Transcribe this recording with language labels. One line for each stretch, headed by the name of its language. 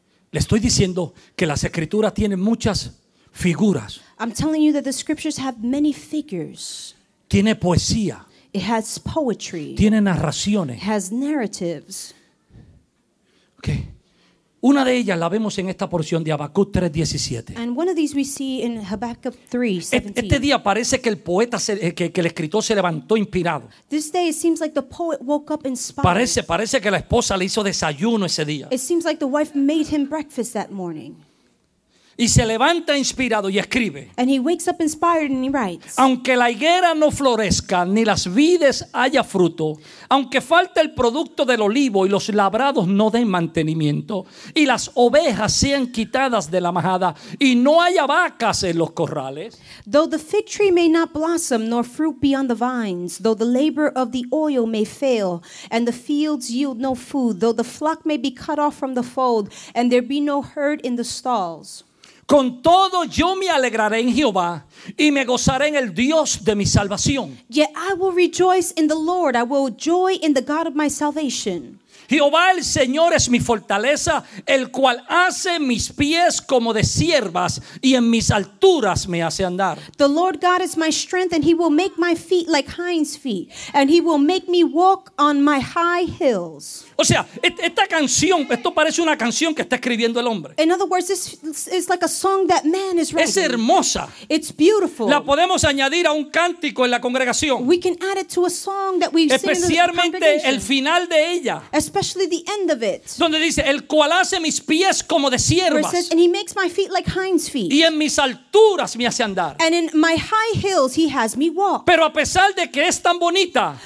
Spanish: Le estoy diciendo que las escrituras tienen muchas figuras.
English: I'm telling you that the scriptures have many figures.
Spanish: Tiene poesía.
English: It has poetry.
Spanish: Tiene narraciones.
English: It has narratives. Okay.
Spanish: Una de ellas la vemos en esta porción de Habacuc 3:17.
English: And one of these we see in Habacuc 3:17.
Spanish: Este día parece que el poeta, que el escritor se levantó inspirado.
English: This day it seems like the poet woke up inspired.
Spanish: Parece que la esposa le hizo desayuno ese día.
English: It seems like the wife made him breakfast that morning.
Spanish: Y se levanta inspirado y escribe.
English: And he wakes up inspired and he writes.
Spanish: Aunque la higuera no florezca, ni las vides haya fruto, aunque falte el producto del olivo y los labrados no den mantenimiento, y las ovejas sean quitadas de la majada, y no haya vacas en los corrales.
English: Though the fig tree may not blossom, nor fruit be on the vines, though the labor of the oil may fail, and the fields yield no food, though the flock may be cut off from the fold, and there be no herd in the stalls.
Spanish: Con todo yo me alegraré en Jehová y me gozaré en el Dios de mi salvación.
English: Yet I will rejoice in the Lord. I will joy in the God of my salvation.
Spanish: Jehová el Señor es mi fortaleza, el cual hace mis pies como de ciervas y en mis alturas me hace andar.
English: The Lord God is my strength and he will make my feet like hinds feet and he will make me walk on my high hills.
Spanish: O sea, esta canción, esto parece una canción que está escribiendo el hombre.
English: In other words, this is like a song that man is writing.
Spanish: Es hermosa.
English: It's beautiful.
Spanish: La podemos añadir a un cántico en la congregación.
English: We can add it to a song that we sing in the congregation.
Spanish: Especialmente el final de ella.
English: Especially the end of it.
Spanish: Donde dice, el cual hace mis pies como de ciervas.
English: Where it says, and he makes my feet like hinds feet.
Spanish: Y en mis alturas me hace andar.
English: And in my high hills he has me walk.
Spanish: Pero a pesar de que es tan bonita.